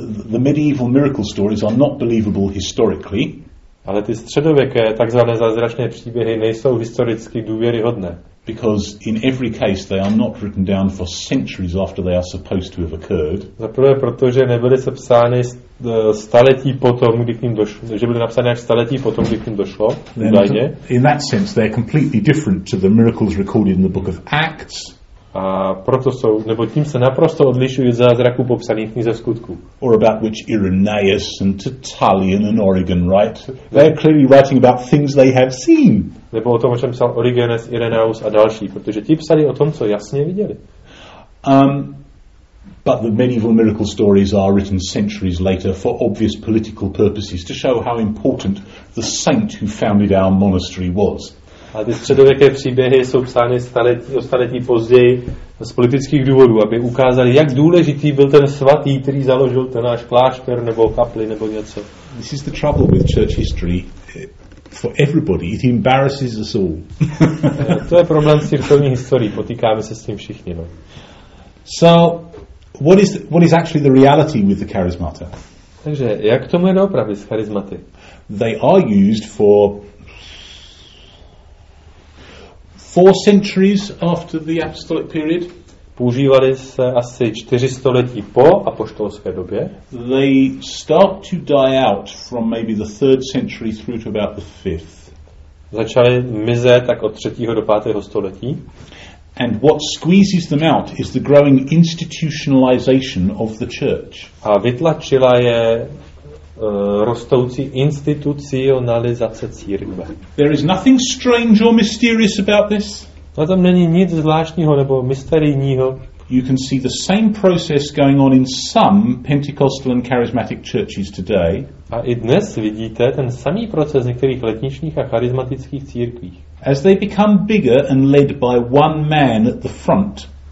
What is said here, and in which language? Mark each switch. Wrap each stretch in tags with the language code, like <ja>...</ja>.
<en>The medieval miracle stories are not believable historically.</en> <cs>Ale ty středověké takzvané zázračné příběhy nejsou historicky důvěryhodné.</cs> <en>Because in every case they are not written down for centuries after they are supposed to have occurred.</en> <cs>Za prvé, protože nebyly sepsány staletí potom, kdy k ním došlo, že byly napsány až staletí potom, kdy k ním došlo.</cs> <en>In that sense they are completely different to the miracles recorded in the book of Acts.</en> <cs>A proto jsou, nebo tím se naprosto odlišují zázraků popsaných v knize skutků.</cs> <en>Or about which Irenaeus and Tertullian and Origen write. They are clearly writing about things they have seen.</en> <cs>Nebo o tom, o čem psal Origenes, Irenaeus a další, protože ti psali o tom, co jasně viděli.</cs> <en>But the medieval miracle stories are written centuries later for obvious political purposes to show how important the saint who founded our monastery was.</en> <cs>A ty středověké příběhy jsou psány staletí později z politických důvodů, aby ukázali, jak důležitý byl ten svatý, který založil ten náš klášter nebo kapli nebo něco.</cs> <en>This is the trouble with church history. For everybody, it embarrasses us all.</en> <cs>To je problém s církevní historií, potýkáme se s tím všichni. No.</cs> <en>So, what is actually the reality with the charismata?</en> <cs>Takže, jak tomu je doopravdy s charismaty?</cs> <en>They are used for 4 centuries after the apostolic period.</en> <cs>Používali se asi 4 století po apoštolské době.</cs> <en>They start to die out from maybe the 3rd century through to about the 5th.</en> <cs>Začali mizet tak od 3. do 5. století.</cs> <en>And what squeezes them out is the growing institutionalization of the church.</en> <cs>A vytlačila je rostoucí institucionalizace církve.</cs> <en>There is nothing strange or mysterious about this.</en> <cs>Na tom není nic zvláštního nebo mysterijního.</cs> <en>you can see the same process going on in some Pentecostal and charismatic churches today.</en> <cs>A i dnes vidíte ten samý proces v některých letničních a charismatických církvích.</cs> <en>As they become bigger and led by one man at the front.</en>